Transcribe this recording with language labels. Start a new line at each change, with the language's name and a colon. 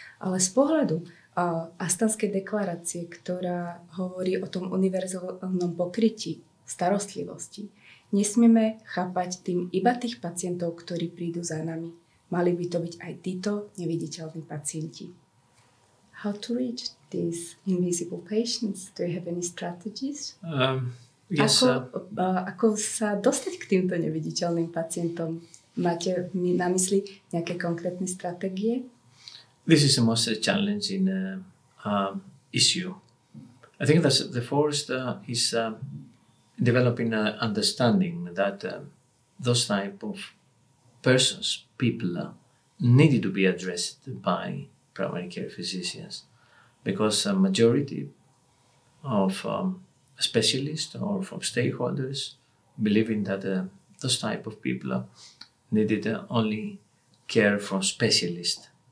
Slovak: Ale z pohľadu Astanskej deklarácie, ktorá hovorí o tom univerzálnom pokrytí starostlivosti, nesmieme chápať tým iba tých pacientov, ktorí prídu za nami. Mali by to byť aj títo neviditeľní pacienti.
English: How to reach these invisible patients? Do you have any strategies? Yes,
Slovak: ako sa dostať k týmto neviditeľným pacientom? Máte na mysli nejaké konkrétne stratégie?
English: This is the most challenging issue. I think that the first is developing an understanding that those type of persons, people, needed to be addressed by primary care physicians, because a majority of specialists or from stakeholders believing that those type of people needed only care from specialists.